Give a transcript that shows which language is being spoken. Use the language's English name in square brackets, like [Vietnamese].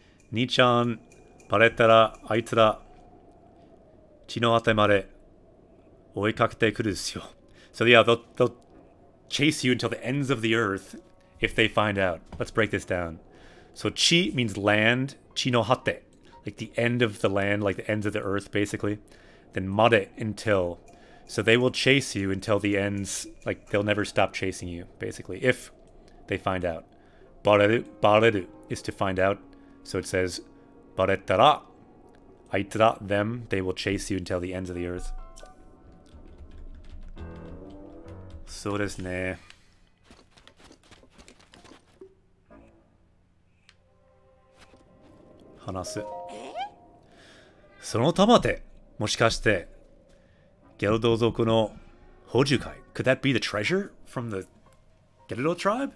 [Japanese] 兄ちゃん、バレたら、あいつら、血の当てまで、追いかけてくるですよ。 [English] So yeah, they'll,chase you until the ends of the earth if they find out. Let's break this down. So chi means land, chi no hate, like the end of the land, like the ends of the earth, basically. Then made, until. So they will chase you until the ends, like they'll never stop chasing you, basically, if they find out. Bareru, bareru is to find out. So it says, baretara, aitara, them, they will chase you until the ends of the earth. [Japanese] そうですね。話す。その玉で、もしかして、ゲルド族の宝珠会。 [English] Could that be the treasure from the ゲルド tribe?